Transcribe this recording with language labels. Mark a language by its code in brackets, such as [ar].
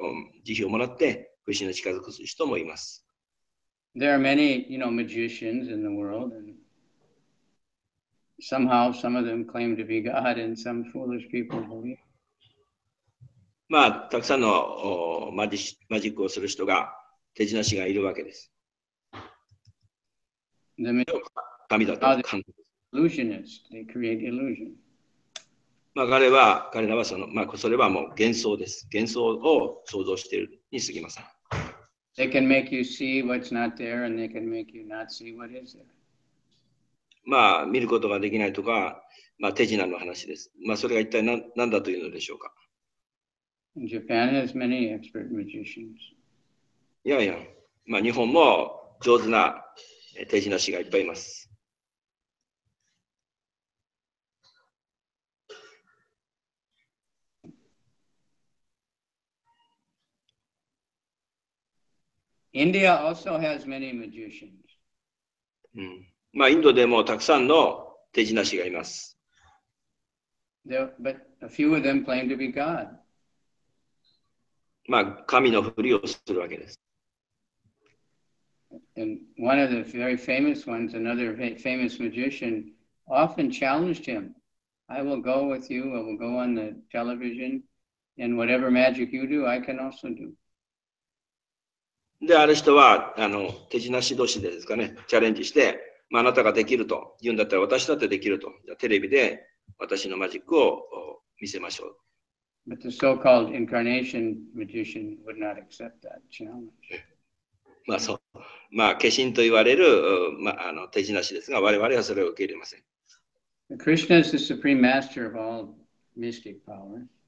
[ja] それで苦しんでいる人たちがシェルターを求めるという場合とか、そして悟りを慈悲をもらって苦しみに近づく人もいます。 [en] There are many, you know, magicians in the world, and somehow some of them claim to be God, and some foolish people believe. [ja] まあ、たくさんの マジックをする人が、手品師がいるわけです。 [en] The illusionist, they create illusion. [ja] まあ、彼らはその、まあ、それはもう幻想です。幻想を想像しているにすぎません。 [en] They can make you see what's not there, and they can make you not see what is there. [ja] まあ、見ることができないとか、まあ、手品の話です。まあ、それが一体 何だというのでしょうか。 [en] In Japan, it has many expert magicians. Yeah, yeah. [ja] まあ、日本も上手な手品師がいっぱいいます。 [en] India also has many magicians. [ja] まあ、インドでもたくさんの手品師がいます。 [en] But a few of them claim to be God. [ja] まあ、神のふりをするわけです。 [en] And one of the very famous ones, another famous magician, often challenged him. I will go with you, I will go on the television, and whatever magic you do, I can also do. [ja] で、ある人は、手品師同士ですかね、チャレンジして、まあ、あなたができると言うんだったら、私だってできると。じゃあ、テレビで私のマジックを見せましょう。 [en] But the so-called incarnation magician would not accept that challenge. [ja] まあそう、まあ化身と言われる、まあ、手品師ですが、我々はそれを受け入れません。 [en] Krishna is the supreme master of all mystic powers.